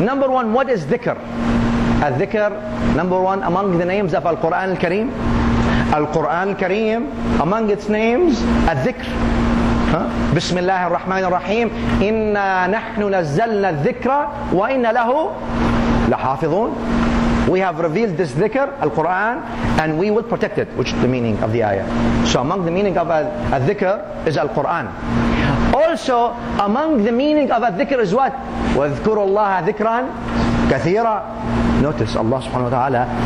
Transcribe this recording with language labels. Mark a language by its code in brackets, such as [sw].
[en] Number one, what is dhikr? Al-dhikr, number one, among the names of Al-Quran al-Kareem. Al-Quran al-Kareem, among its names, al-dhikr. [ar] بسم الله الرحمن الرحيم إنا نحن نزلنا الذكر وإن له لحافظون. [en] We have revealed this dhikr, Al-Quran, and we will protect it, which is the meaning of the ayah. So among the meaning of a dhikr is Al-Quran. Also, among the meaning of a dhikr is what? [ar] وَذْكُرُوا اللَّهَ ذِكْرًا كَثِيرًا. [en] Notice Allah subhanahu wa ta'ala.